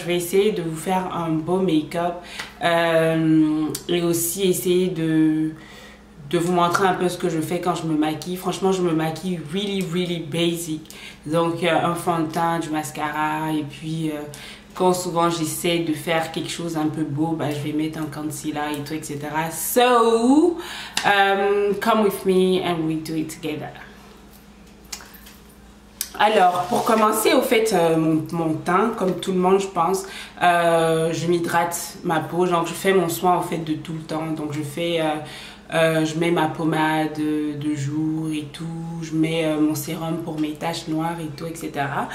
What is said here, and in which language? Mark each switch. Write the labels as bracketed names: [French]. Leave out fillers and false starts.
[French] Je vais essayer de vous faire un beau make-up et aussi essayer de vous montrer un peu ce que je fais quand je me maquille. Franchement, je me maquille [English] really, really basic. [French] Donc, un fond de teint, du mascara. Et puis, quand souvent j'essaie de faire quelque chose un peu beau, je vais mettre un concealer et tout, etc. [English] So, come with me and we do it together. [French] Alors, pour commencer, au fait, mon teint, comme tout le monde, je pense, je m'hydrate ma peau. Donc, je fais mon soin, en fait, de tout le temps. Donc, je mets ma pommade de jour et tout, je mets mon sérum pour mes taches noires et tout, etc.